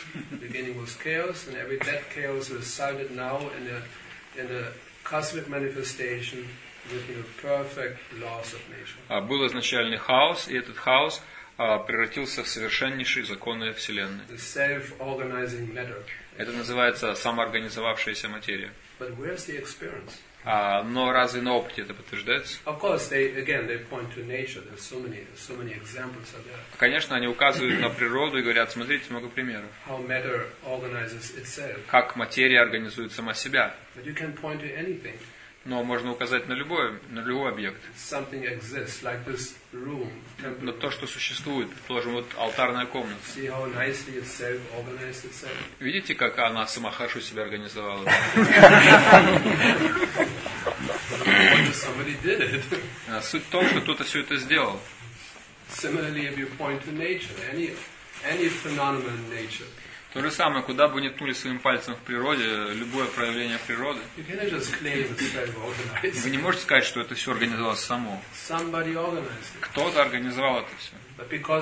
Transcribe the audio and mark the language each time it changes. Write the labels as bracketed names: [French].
[English] Beginning was chaos, and every that chaos resulted now in a cosmic manifestation with a perfect laws of nature. [Russian] Был изначальный хаос, и этот хаос превратился в совершеннейшие законы вселенной. [English] The self-organizing matter. [Russian] Это называется самоорганизовавшаяся материя. [English] But where's the experience? [Russian] Но разве на опыте это подтверждается? [English] Of course, they point to nature. There's so many examples of that. [Russian] Конечно, они указывают на природу и говорят: смотрите, много примеров. [English] How matter organizes itself. [Russian] Как материя организует сама себя. [English] But you can point to anything. [Russian] Но можно указать на любой объект. [English] Something exists, like this room. [Russian] Но то, что существует, предположим, вот алтарная комната. [English] See how nicely itself organized itself. [Russian] Видите, как она сама хорошо себя организовала? [English] Somebody did it. [Russian] Суть в том, что кто-то все это сделал. [English] Similarly, if you point to nature, any phenomenon in nature. [Russian] То же самое, куда бы ни ткнули своим пальцем в природе, любое проявление природы, вы не можете сказать, что это все организовалось само. Кто-то организовал это все.